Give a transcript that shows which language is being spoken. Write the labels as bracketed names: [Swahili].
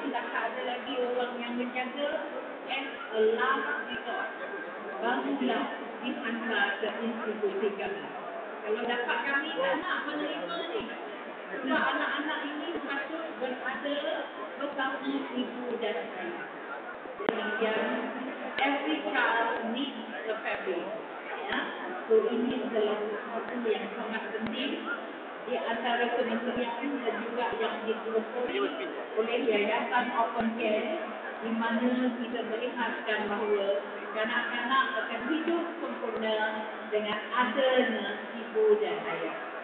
[Malay] Tidak ada lagi orang yang menjaga. [English] As a last resort, [Malay] barulah dihantar ke institusi kami. Kalau dapat kami anak menerima ni, sebab anak-anak ini patut berada bersama ibu dan ayah. [English] Demikian, every child needs a family. [Malay] So ini adalah sesuatu yang sangat penting di antara kementerian dan juga yang dikelompok oleh Yayasan Open Care, di mana kita melihatkan bahawa kanak-kanak akan hidup sempurna dengan adanya ibu dan ayah.